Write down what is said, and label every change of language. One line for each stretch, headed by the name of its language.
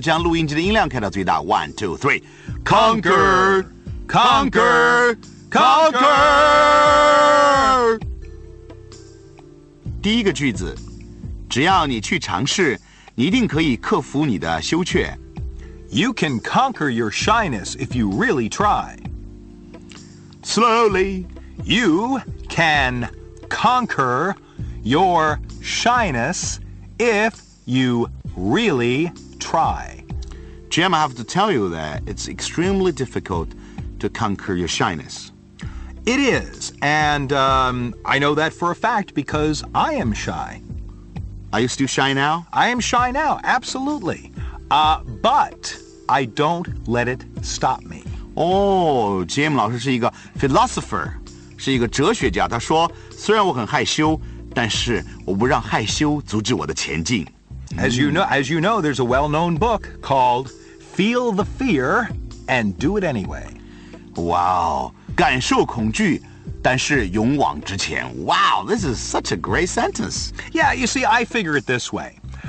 Chinese: 将录音机的音量开到最大。
English: One, two, three. Conquer. Conquer. Conquer.
Chinese: 第一个句子，只要你去尝试，你一定可以克服你的羞怯。
English: You can conquer your shyness if you really try. Slowly. You can conquer your shyness if you really try. Jim, I have to tell you that it's extremely difficult to conquer your shyness. It is, and I know that for a fact because I am shy. Are you still shy now? I am shy now, absolutely. But I don't let it stop me.
Chinese: Oh, Jim 老师是一个 philosopher. 是一个哲学家，他说，虽然我很害羞，但是我不让害羞阻止我的前进。
English: As you know, there's a well-known book called Feel the Fear and Do It Anyway.
Chinese: Wow, 感受恐惧，但是勇往直前。
English: Wow, this is such a great sentence. Yeah, you see, I figure it this way.